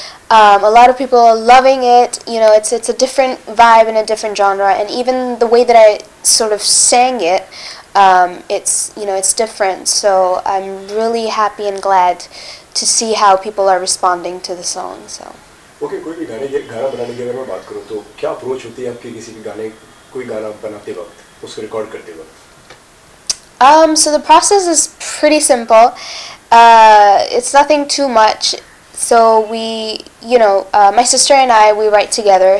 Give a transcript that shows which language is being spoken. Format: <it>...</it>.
<en>A lot of people are loving it. You know, it's a different vibe and a different genre, and even the way that I sort of sang it, it's different. So I'm really happy and glad to see how people are responding to the song. So.</en> <hi>Okay, कोई भी गाने ये गाना बनाने के बारे में बात करूँ तो क्या approach होती है आपकी किसी भी गाने कोई गाना बनाते वक्त उसको record करते वक्त?</hi> <en>So the process is pretty simple. It's nothing too much. So my sister and I, we write together.</en>